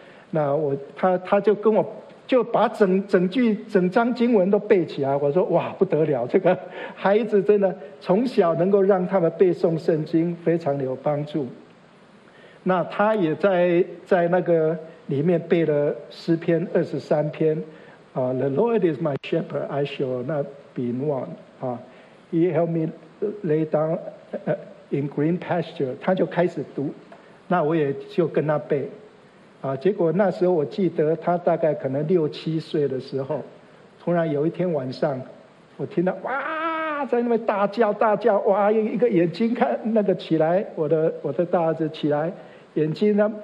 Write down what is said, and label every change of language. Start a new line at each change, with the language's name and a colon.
Chinese: 那我他就跟我就把整章经文都背起来，我说哇不得了，这个孩子真的从小能够让他们背诵圣经，非常有帮助。那他也在那个里面背了诗篇二十三篇，
English: The Lord is my shepherd, I shall not be want. He helped me lay down in green pasture.
Chinese: 他就开始读，那我也就跟他背，结果那时候我记得他大概可能六七岁的时候，突然有一天晚上，我听到哇在那边大叫大叫，哇一个眼睛看那个起来，我的大儿子起来。眼睛呢？